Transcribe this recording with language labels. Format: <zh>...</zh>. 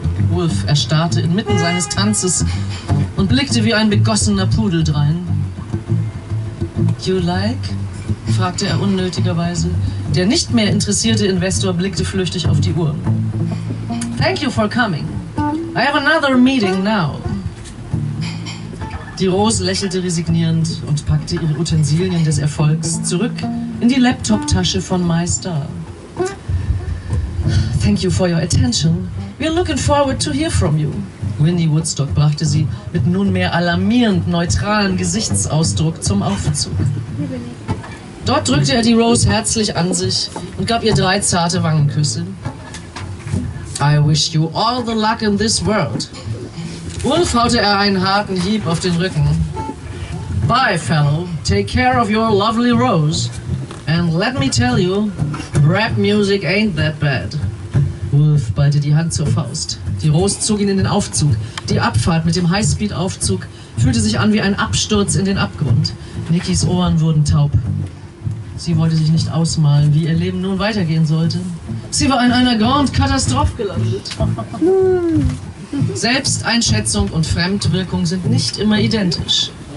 <de>Wolf erstarrte inmitten seines Tanzes und blickte wie ein begossener Pudel drein.</de> <en>You like?</en> <de>Fragte er unnötigerweise. Der nicht mehr interessierte Investor blickte flüchtig auf die Uhr.</de> <en>Thank you for coming. I have another meeting now.</en> <de>Die Rose lächelte resignierend und packte ihre Utensilien des Erfolgs zurück in die Laptoptasche von MyStar.</de> <en>Thank you for your attention. We're looking forward to hear from you.</en> <de>Winnie Woodstock brachte sie mit nunmehr alarmierend neutralem Gesichtsausdruck zum Aufzug. Dort drückte er die Rose herzlich an sich und gab ihr drei zarte Wangenküsse.</de> <en>I wish you all the luck in this world.</en> <de>Wolf haute er einen harten Hieb auf den Rücken.</de> <en>Bye, fellow. Take care of your lovely rose. And let me tell you, rap music ain't that bad.</en> <de>Wolf ballte die Hand zur Faust. Die Rose zog ihn in den Aufzug. Die Abfahrt mit dem Highspeed-Aufzug fühlte sich an wie ein Absturz in den Abgrund. Nickys Ohren wurden taub. Sie wollte sich nicht ausmalen, wie ihr Leben nun weitergehen sollte. Sie war in einer Grande Katastrophe gelandet. Selbsteinschätzung und Fremdwirkung sind nicht immer identisch.</de>